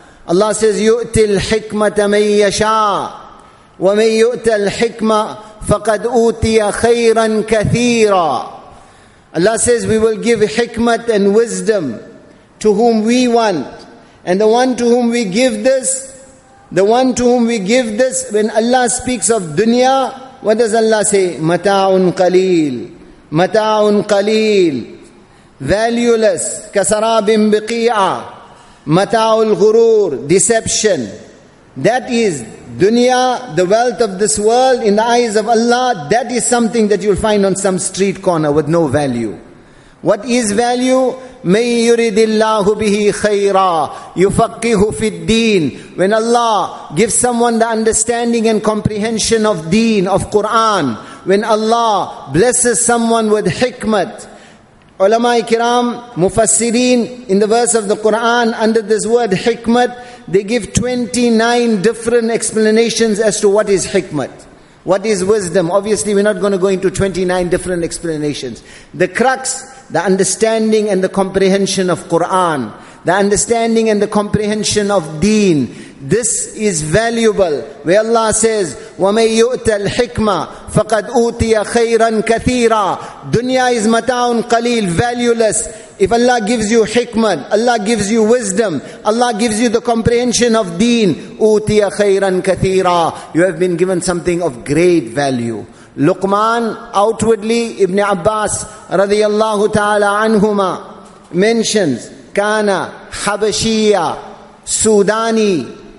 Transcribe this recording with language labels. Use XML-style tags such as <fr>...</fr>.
<en>Allah says,</en> <ar>يُؤْتِ الْحِكْمَةَ مَنْ يَشَاءُ وَمَنْ يُؤْتَ الْحِكْمَةَ فَقَدْ أُوْتِيَ خَيْرًا كَثِيرًا.</ar> <en>Allah says, we will give hikmat and wisdom to whom we want. And the one to whom we give this, when Allah speaks of dunya, what does Allah say?</en> <ar>مَتَاعٌ قَلِيلٌ مَتَاعٌ قَلِيلٌ</ar> <en>valueless,</en> <ar>كَسَرَابٍ بِقِيعًا مَتَاعُ الْغُرُورِ</ar> <en>deception. That is dunya, the wealth of this world in the eyes of Allah, that is something that you'll find on some street corner with no value. What is value?</en> <ar>مَنْ يُرِدِ اللَّهُ بِهِ خَيْرًا يُفَقِّهُ فِي الدِّينِ.</ar> <en>When Allah gives someone the understanding and comprehension of deen, of Quran, when Allah blesses someone with hikmat, ulama-i-kiram, mufassireen, in the verse of the Quran, under this word hikmat, they give 29 different explanations as to what is hikmat. What is wisdom? Obviously, we're not going to go into 29 different explanations. The crux, the understanding and the comprehension of Quran, the understanding and the comprehension of deen, this is valuable. Where Allah says,</en> <ar>وَمَنْ يُؤْتَ الْحِكْمَةِ فَقَدْ أُوْتِيَ خَيْرًا كَثِيرًا.</ar> <en>Dunya is mataun qaleel, valueless. If Allah gives you hikmat, Allah gives you wisdom, Allah gives you the comprehension of deen,</en> <ar>أُوْتِيَ خَيْرًا كَثِيرًا.</ar> <en>You have been given something of great value. Luqman, outwardly, Ibn Abbas radiyallahu ta'ala anhuma mentions, kana habashiya, Sudani.</en>